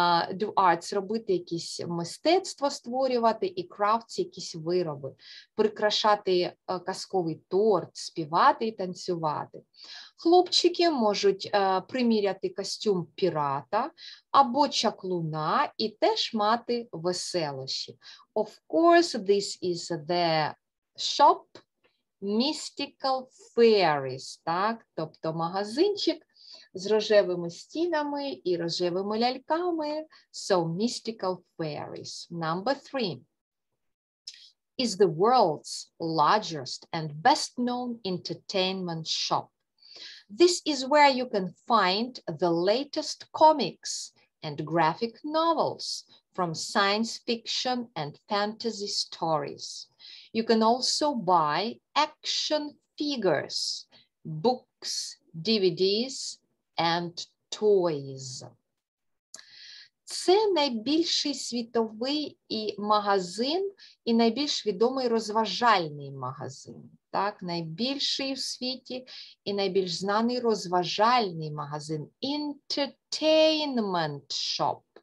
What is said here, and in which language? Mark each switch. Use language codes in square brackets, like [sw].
[en] Do arts, [uk] робити якісь мистецтво, створювати і крафти якісь вироби, прикрашати казковий торт, співати і танцювати. Хлопчики можуть приміряти костюм пірата або чаклуна і теж мати веселощі. [en] Of course, this is the shop Mystical Fairies, так? [uk] Тобто магазинчик з рожевими стінами і рожевими ляльками. [en] So, Mystical Fairies. Number three. Is the world's largest and best-known entertainment shop. This is where you can find the latest comics and graphic novels from science fiction and fantasy stories. You can also buy action figures, books, DVDs, and toys. [uk] Це найбільший світовий і магазин, і найбільш відомий розважальний магазин. Так, найбільший в світі і найбільш знаний розважальний магазин. [en] Entertainment shop.